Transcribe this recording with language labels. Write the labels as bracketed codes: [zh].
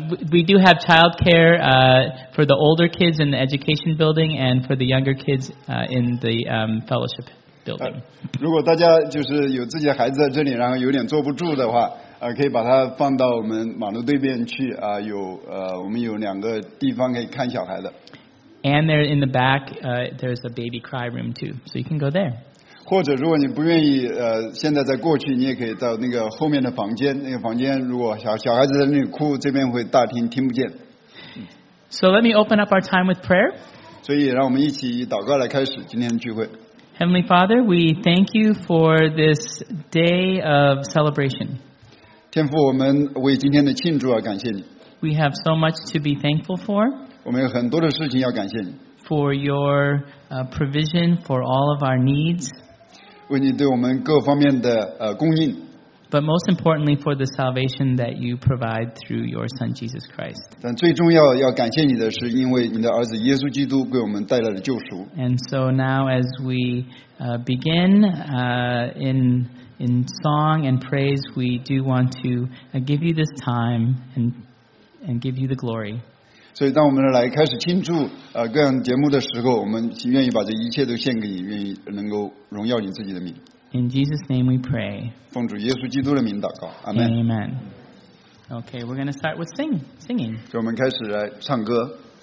[en] we do have childcare for the older kids in the education building and for the younger kids in the fellowship. [zh] 如果大家就是有自己的孩子在这里，然后有点坐不住的话，可以把它放到我们马路对面去啊。我们有两个地方可以看小孩的。 [en] And there in the back, there's a baby cry room too, so you can go there. [zh] 或者如果你不愿意现在再过去，你也可以到那个后面的房间。那个房间如果小孩子在那里哭，这边会大厅听不见。 [en] So let me open up our time with prayer. [zh] 所以让我们一起以祷告来开始今天的聚会。 [en] Heavenly Father, we thank you for this day of celebration. [zh] 天父，我们为今天的庆祝而感谢你。 [en] We have so much to be thankful for. [zh] 我们有很多的事情要感谢你。 [en] For your provision for all of our needs. [zh] 为你对我们各方面的供应。 [en] But most importantly, for the salvation that you provide through your Son Jesus Christ. [zh] 但最重要要感谢你的是，因为你的儿子耶稣基督给我们带来了救赎。 [en] And so now, as we begin in song and praise, we do want to give you this time and give you the glory. [zh] 所以，当我们来开始庆祝各样节目的时候，我们愿意把这一切都献给你，愿意能够荣耀你自己的名。 [en] In Jesus' name we pray. [zh] 奉主耶稣基督的名祷告。阿门。 [en] Amen. Okay, we're going to start with singing. [zh] 所以我们开始来唱歌。